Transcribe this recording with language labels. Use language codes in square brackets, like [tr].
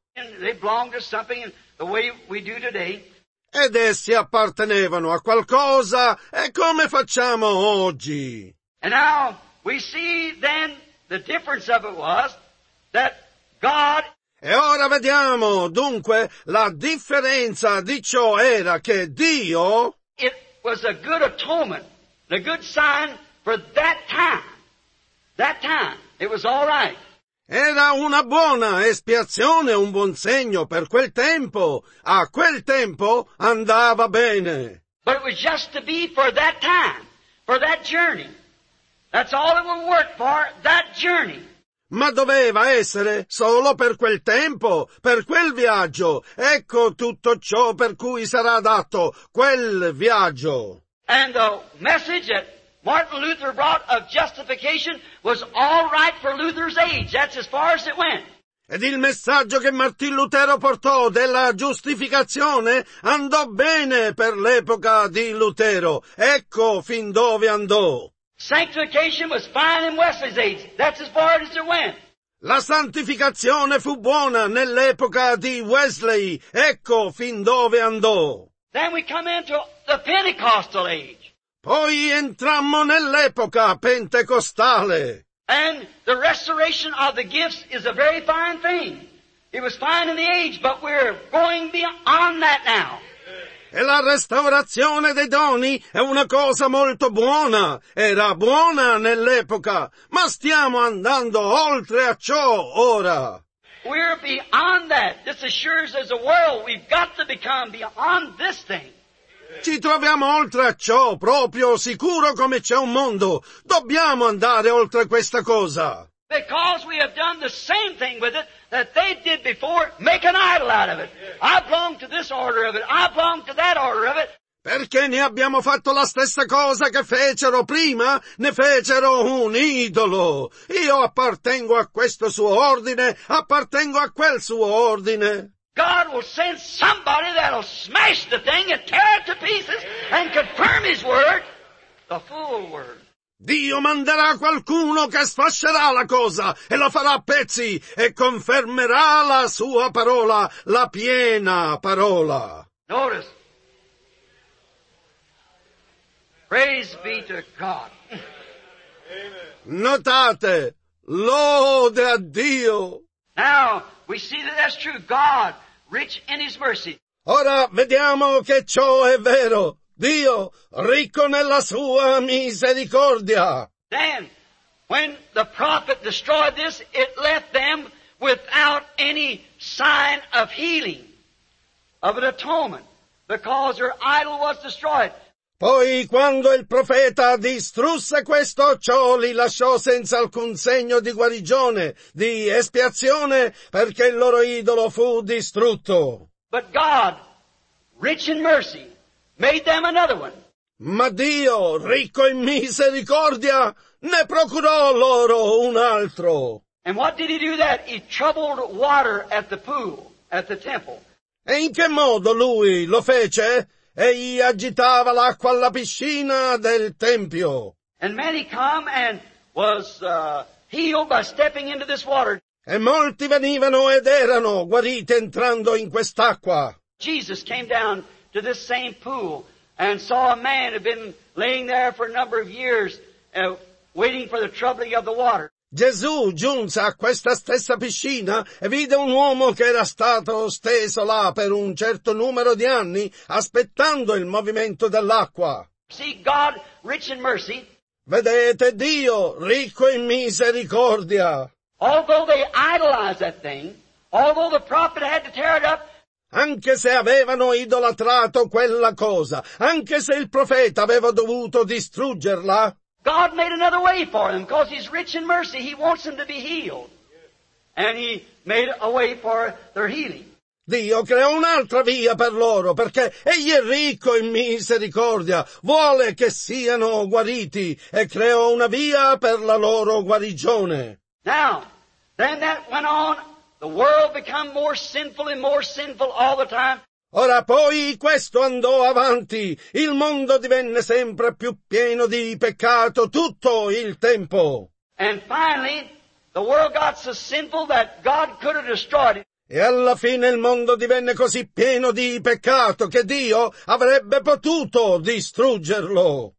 [en] And they belong to something the way we do today. [it] Ed essi appartenevano a qualcosa, e come facciamo oggi? [en] And now we see then the difference of it was that God. [it] E ora vediamo dunque la differenza di ciò era che Dio. [en] It was a good atonement, a good sign for that time. That time it was all right. [it] Era una buona espiazione, un buon segno per quel tempo. A quel tempo andava bene. [en] But it was just to be for that time, for that journey. That's all it would work for, that journey. [it] Ma doveva essere solo per quel tempo, per quel viaggio. Ecco tutto ciò per cui sarà adatto, quel viaggio. [en] And the message that Martin Luther brought of justification was all right for Luther's age. That's as far as it went. [it] Ed il messaggio che Martin Lutero portò della giustificazione andò bene per l'epoca di Lutero. Ecco fin dove andò. [en] Sanctification was fine in Wesley's age. That's as far as it went. [it] La santificazione fu buona nell'epoca di Wesley. Ecco fin dove andò. [en] Then we come into the Pentecostal age. [it] Poi entrammo nell'epoca pentecostale. [en] And the restoration of the gifts is a very fine thing. It was fine in the age, but we're going beyond that now. [it] E la restaurazione dei doni è una cosa molto buona. Era buona nell'epoca, ma stiamo andando oltre a ciò ora. [en] We're beyond that. This assures as a world we've got to become beyond this thing. [it] Ci troviamo oltre a ciò, proprio sicuro come c'è un mondo. Dobbiamo andare oltre questa cosa. [en] Because we have done the same thing with it that they did before, make an idol out of it. I belong to this order of it. I belong to that order of it. [it] Perché ne abbiamo fatto la stessa cosa che fecero prima? Ne fecero un idolo. Io appartengo a questo suo ordine, appartengo a quel suo ordine. [en] God will send somebody that'll smash the thing and tear it to pieces and confirm His word, the fool word. [it] Dio manderà qualcuno che sfascerà la cosa e la farà a pezzi e confermerà la sua parola, la piena parola. [en] Notice. Praise be to God. [it] Notate. Lode a Dio. [en] Now, we see that that's true. God, rich in His mercy. [it] Ora vediamo che ciò è vero. Dio, ricco nella sua misericordia. [en] Then, when the prophet destroyed this, it left them without any sign of healing, of an atonement, because their idol was destroyed. [it] Poi, quando il profeta distrusse questo, ciò li lasciò senza alcun segno di guarigione, di espiazione, perché il loro idolo fu distrutto. [en] But God, rich in mercy, made them another one. [it] Ma Dio, ricco in misericordia, ne procurò loro un altro. [en] And what did He do that? He troubled water at the pool, at the temple. [it] E in che modo Lui lo fece? Egli agitava l'acqua alla piscina del tempio. [en] And many come and was healed by stepping into this water. [it] E molti venivano ed erano guariti entrando in quest'acqua. [en] Jesus came down to this same pool and saw a man who had been laying there for a number of years waiting for the troubling of the water. [it] Gesù giunse a questa stessa piscina e vide un uomo che era stato steso là per un certo numero di anni aspettando il movimento dell'acqua. [en] See, God, rich in mercy. [it] Vedete Dio, ricco in misericordia. [en] Although they idolized that thing, although the prophet had to tear it up, [it] anche se avevano idolatrato quella cosa, anche se il profeta aveva dovuto distruggerla, [en] God made another way for them, because He's rich in mercy. He wants them to be healed. And He made a way for their healing. [it] Dio creò un'altra via per loro, perché Egli è ricco in misericordia. Vuole che siano guariti, e creò una via per la loro guarigione. [en] Now, then that went on, the world became more sinful and more sinful all the time. [it] Ora poi questo andò avanti, il mondo divenne sempre più pieno di peccato tutto il tempo. [en] And finally, the world got so sinful that God could have destroyed it. [it] E alla fine il mondo divenne così pieno di peccato che Dio avrebbe potuto distruggerlo.